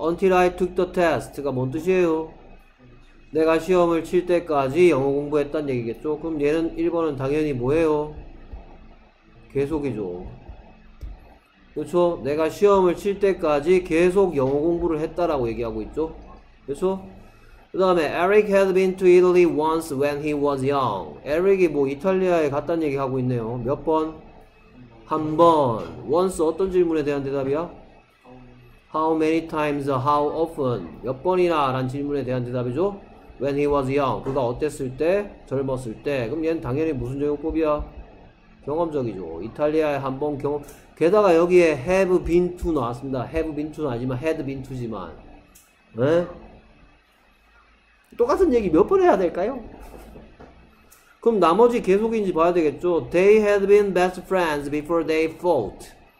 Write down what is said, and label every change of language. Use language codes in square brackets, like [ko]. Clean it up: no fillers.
[en] Until I took the test가 [ko] 뭔 뜻이에요? 내가 시험을 칠 때까지 영어 공부했던 얘기겠죠? 그럼 얘는 1번은 당연히 뭐예요? 계속이죠. 그쵸? 내가 시험을 칠 때까지 계속 영어 공부를 했다라고 얘기하고 있죠? 그쵸? 그 다음에 [en] Eric had been to Italy once when he was young. [ko] Eric이 뭐 이탈리아에 갔단 얘기하고 있네요. 몇 번? 한 번. Once 어떤 질문에 대한 대답이야? [en] How many times, how often? [ko] 몇 번이나? 라는 질문에 대한 대답이죠? [en] When he was young. [ko] 그가 어땠을 때? 젊었을 때. 그럼 얘는 당연히 무슨 적용법이야? 경험적이죠. 이탈리아에 한번 경험. 게다가 여기에 [en] have been to [ko] 나왔습니다. [en] have been to [ko] 는 아니지만, [en] had been to [ko] 지만. 네? 똑같은 얘기 몇번 해야 될까요? 그럼 나머지 계속인지 봐야 되겠죠. [en] They had been best friends before they fought.